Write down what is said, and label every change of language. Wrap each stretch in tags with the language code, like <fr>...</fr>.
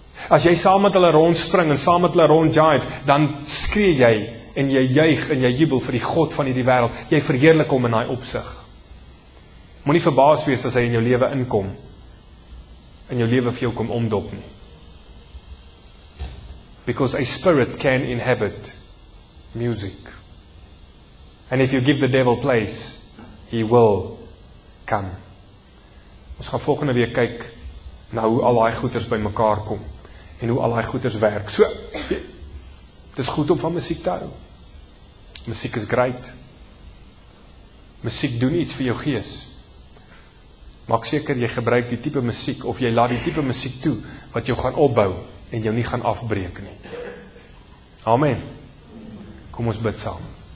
<af>As jy saam met hulle rondspring en saam met hulle rondjive, dan skree jy en jy juig en jy jubel vir die God van hierdie wêreld. Jy verheerlik hom in daai opsig. Moenie verbaas wees as hy in jou lewe inkom. In jou lewe vir jou kom omdop nie.</af> <en>Because a spirit can inhabit music. And if you give the devil place, he will come.</en> <af>Ons gaan volgende week kyk na hoe al daai goeders by mekaar kom en hoe al daai goeders werk. So dis goed om van musiek te hou. Musiek is great. Musiek doen iets vir jou gees. Maak seker jy gebruik die tipe musiek of jy laat die tipe musiek toe wat jou gaan opbou en jou nie gaan afbreek nie. Amen. Kom ons bid saam.</af>